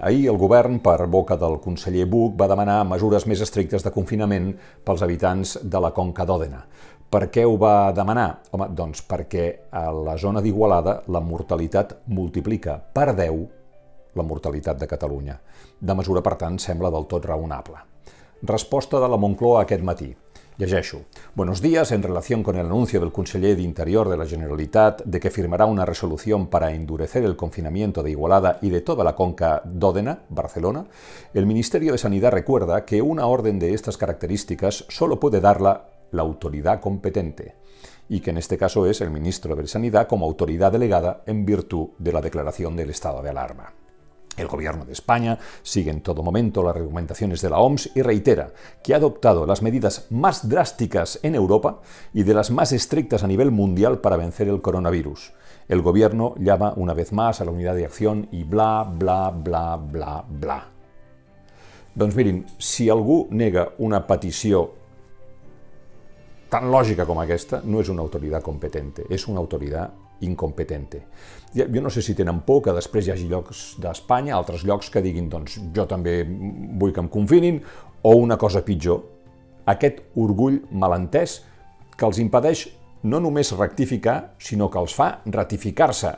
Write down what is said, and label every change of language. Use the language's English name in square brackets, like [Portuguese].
[Catalan] Ahir el govern, per boca del conseller Buch, va demanar mesures més estrictes de confinament pels habitants de la Conca d'Òdena. Per què ho va demanar? Home, doncs perquè a la zona d'Igualada la mortalitat multiplica per 10 la mortalitat de Catalunya. De mesura, per tant, sembla del tot raonable. Resposta de la Moncloa aquest matí. Llegeixo. [Spanish] Buenos días, en relación con el anuncio del conseller d'Interior de la Generalitat de que firmará una resolución para endurecer el confinamiento de Igualada y de toda la conca d'Òdena, Barcelona, el Ministerio de Sanidad recuerda que una orden de estas características solo puede darla la autoridad competente y que en este caso es el ministro de Sanidad como autoridad delegada en virtud de la declaración del estado de alarma. El gobierno de España sigue en todo momento las recomendaciones de la OMS y reitera que ha adoptado las medidas más drásticas en Europa y de las más estrictas a nivel mundial para vencer el coronavirus. El gobierno llama una vez más a la unidad de acción y bla, bla, bla, bla, bla. [Catalan] Doncs mirin, si algú nega una petició tan lògica com aquesta, no és una autoritat competente, és una autoritat incompetente. Jo no sé si tenen por que després hi hagi llocs d'Espanya, altres llocs que diguin, doncs, jo també vull que em confinin, o una cosa pitjor, aquest orgull malentès que els impedeix no només rectificar, sinó que els fa ratificar-se.